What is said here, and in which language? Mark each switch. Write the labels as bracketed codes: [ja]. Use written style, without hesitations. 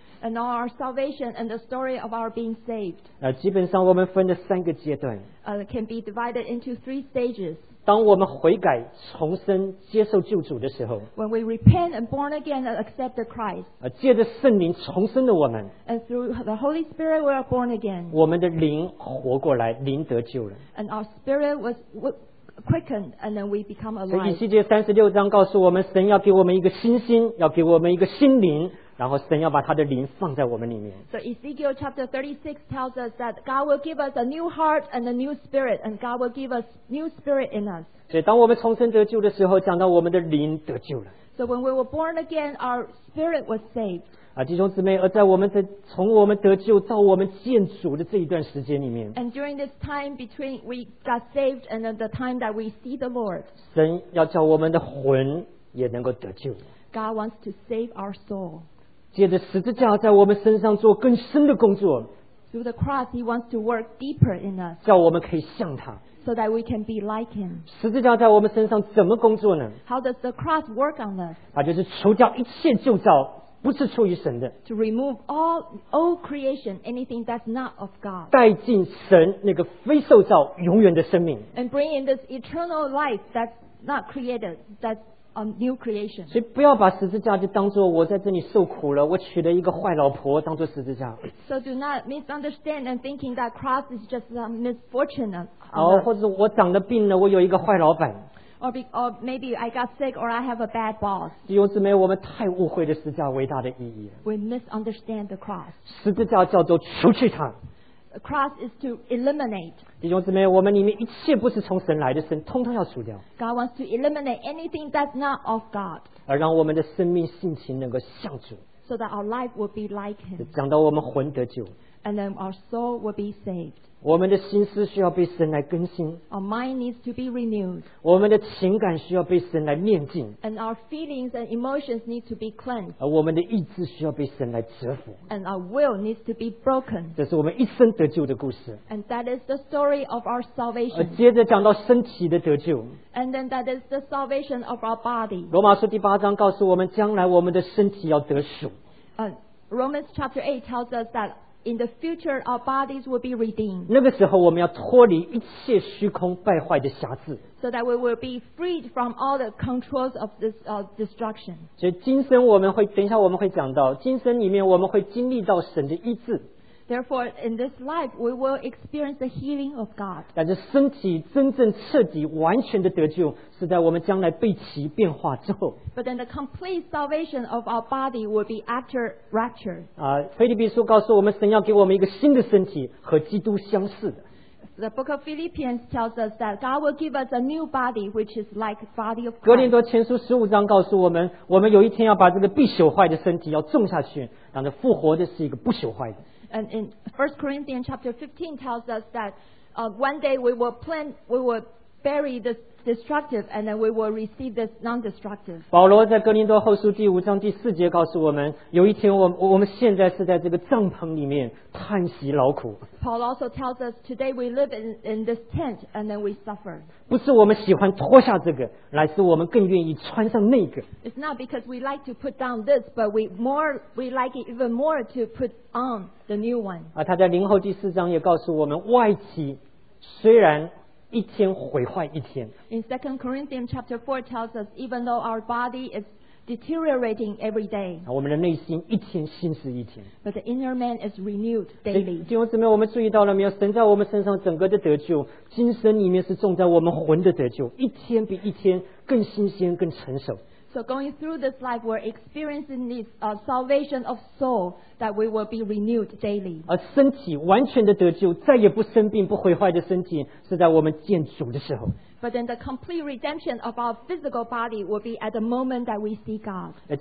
[en] And all our salvation and the story of our being saved [zh] 基本上我们分了三个阶段 [en] Can be divided into three stages [zh] 当我们悔改重生接受救主的时候 [en] When we repent and born again and accept the Christ [zh] 借着圣灵重生了我们 [en] And through the Holy Spirit we are born again [zh] 我们的灵活过来灵得救了 [en] And our spirit was quickened and then we become alive [zh] 所以以西结36章告诉我们神要给我们一个新心要给我们一个心灵然后神要把他的灵放在我们里面 [en] So Ezekiel chapter 36 tells us that God will give us a new heart and a new spirit and God will give us new spirit in us [zh] 所以当我们重生得救的时候讲到我们的灵得救了 [en] So when we were born again our spirit was saved [zh] 弟兄姊妹而在我们的从我们得救到我们见主的这一段时间里面 [en] And during this time between we got saved and the time that we see the Lord [zh] 神要叫我们的魂也能够得救 [en] God wants to save our soul [zh] 借着十字架在我们身上做更深的工作 [en] Through the cross he wants to work deeper in us [zh] 叫我们可以像他 [en] So that we can be like him [zh] 十字架在我们身上怎么工作呢 [en] How does the cross work on us [zh] 它就是除掉一切旧造不是出于神的 [en] To remove all old creation anything that's not of God [zh] 带进神那个非受造永远的生命 [en] And bring in this eternal life that's not created that'sNew creation. [zh] 所以不要把十字架就当作我在这里受苦了，我娶了一个坏老婆当作十字架。 [en] So do not misunderstand and thinking that cross is just a misfortune. [zh] 或者我长了病了，我有一个坏老板。 [en] Or maybe I got sick or I have a bad boss. [zh] 弟兄姊妹，我们太误会了十字架伟大的意义了。 [en] We misunderstand the cross. [zh] 十字架叫做除去它。 [en] The cross is to eliminate. [zh] 弟兄姊妹，我们里面一切不是从神来的神，通通要除掉。 [en] God wants to eliminate anything that's not of God. [zh] 而让我们的生命性情能够像主。 [en] So that our life will be like Him. [zh] 讲到我们魂得救。 [en] And then our soul will be saved. [zh] 我们的心思需要被神来更新。 [en] Our mind needs to be renewed. [zh] 我们的情感需要被神来炼净。 [en] And our feelings and emotions need to be cleansed. [zh] 而我们的意志需要被神来折服。 [en] And our will needs to be broken. [zh] 这是我们一生得救的故事。 [en] And that is the story of our salvation. [zh] 而接着讲到身体的得救。 [en] And then that is the salvation of our body. [zh] 罗马书第八章告诉我们将来我们的身体要得赎。 [en] Romans chapter 8 tells us that In the future, our bodies will be redeemed. [zh] 那个时候我们要脱离一切虚空败坏的瑕疵。 [en] So that we will be freed from all the controls of this destruction. [zh] 所以今生我们会，等一下我们会讲到，今生里面我们会经历到神的医治。 [en] Therefore, in this life, we will experience the healing of God. [zh] 但是身体真正彻底完全的得救是在我们将来被其变化之后。 [en] But then the complete salvation of our body will be after rapture. [zh] 腓立比书告诉我们神要给我们一个新的身体和基督相似的。 [en] The book of Philippians tells us that God will give us a new body, which is like the body of Christ. [zh] 哥林多前书15章告诉我们，我们有一天要把这个必朽坏的身体要种下去，然后复活的是一个不朽坏的。 [en] And in 1 Corinthians chapter 15 tells us that one day we will plant, we will bury this destructive, and then we will receive this non-destructive. [zh] 保罗在哥林多后书第5章第4节告诉我们，有一天我们现在是在这个帐篷里面叹息劳苦。 [en] Paul also tells us today we live in this tent and then we suffer. [zh] 不是我们喜欢脱下这个，乃是我们更愿意穿上那个。 [en] It's not because we like to put down this, but we like it even more to put on the new one. [zh] 他在灵后第4章也告诉我们，外体虽然 [en] In 2 Corinthians chapter 4 tells us, even though our body is deteriorating every day, but the inner man is renewed daily. [zh] 弟兄姊妹，我们注意到了没有？神在我们身上整个的得救，今生里面是种在我们魂的得救，一天比一天更新鲜、更成熟。 [en] So going through this life, we're experiencing this salvation of soul that we will be renewed daily. [zh] 身体完全的得救，再也不生病、不毁坏的身体，是在我们见主的时候。 [en] But then the complete redemption of our physical body will be at the moment that we see God.